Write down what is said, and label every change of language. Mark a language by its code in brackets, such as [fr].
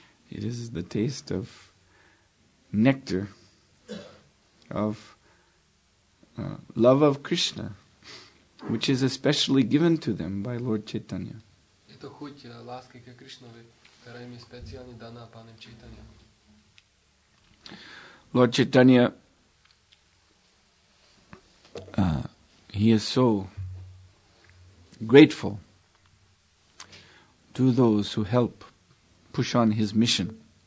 [en] It is the taste of nectar, of love of Krishna, which is especially given to them by Lord Chaitanya. [cs] Je to chuť lásky ke Krishnovi, která jim je speciálně daná panem Chaitanya. [en] Lord Chaitanya, he is so grateful to those who help push on his mission.